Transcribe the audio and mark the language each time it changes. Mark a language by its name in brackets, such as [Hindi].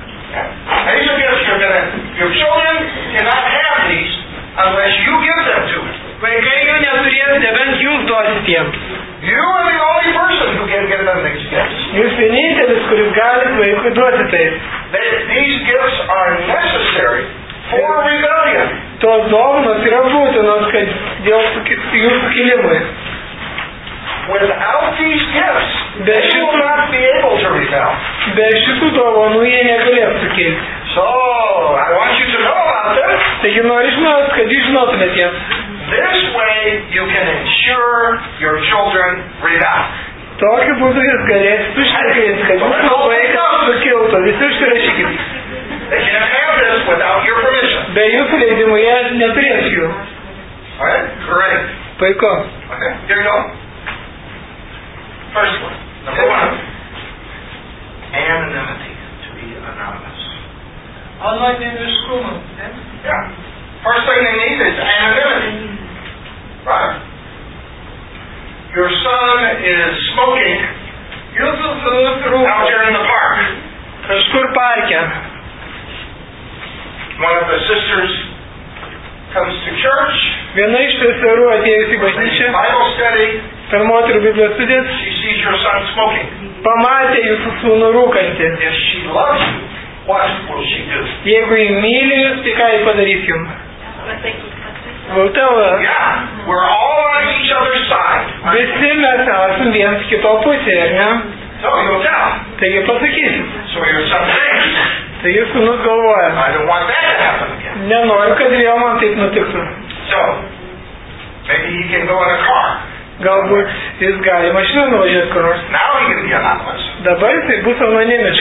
[English] These are gifts you're going to. Your children cannot have these unless you give them to them. [Lithuanian] Vaikai jų neturės, nebent jūs duosit jiem. [English] You are the only person who can give them these gifts. [Lithuanian] Jūs vienintelis, kuris gali vaikui duoti tai. [English] These gifts are necessary for rebellion. [Lithuanian] Tos dovanos yra būtinos, kad dėl jūsų kilimui. [English] Without these gifts, they will not be able to rebel. [Lithuanian] Be šitų dovanų jie negalės sukilti. [English] So, I want you to know about this. [Lithuanian] Taigi nori žinot, kad jūs žinotumėt jiems. [English] This way you can ensure your children rebel. [Lithuanian] Tokiu būdu jūs galėsit užtikrinti, kad jūsų vaikas sukiltų. Visi užsirašykite. [English] They can't have this without your permission. [Lithuanian] Be jūsų leidimų jie neturės jų. [English] Alright, great. [Lithuanian] Puiku. [English] Okay, here you go. First one, number one. Anonymity, to be anonymous. Unlike in the school. Yeah. First thing they need is anonymity. Right. Your son is smoking. Out here in the park. [Lithuanian] Kažkur parke. [English] One of the sisters comes to church. [Lithuanian] Viena iš seserų atėjusi į bažnyčią. [English] Bible study. [Lithuanian] Per moterų Biblijos studijas. [English] She sees your son smoking. [Lithuanian] Pamatė jūsų sūnų rūkantį. [English] If she loves you, what will she do? [Lithuanian] Jeigu jį myli jūs, tai ką jį padarys jum? [English] Yeah, we're all on each other's side. [Lithuanian] Visi mes esam viens kito pusėje, ne? [English] So you'll tell. [Lithuanian] Taigi pasakysim. [English] So your son thinks. [Lithuanian] Tai jūs sūnus galvoja. [English] I don't want that to happen again. [Lithuanian] Nenoriu, kad vėl man taip nutiktų. [English] So, maybe he can go in a car. [Lithuanian] Galbūt jis gali mašiną nuvažiuoti kur nors. [English] Now he can be anonymous. [Lithuanian] Dabar jis bus anonimiškas.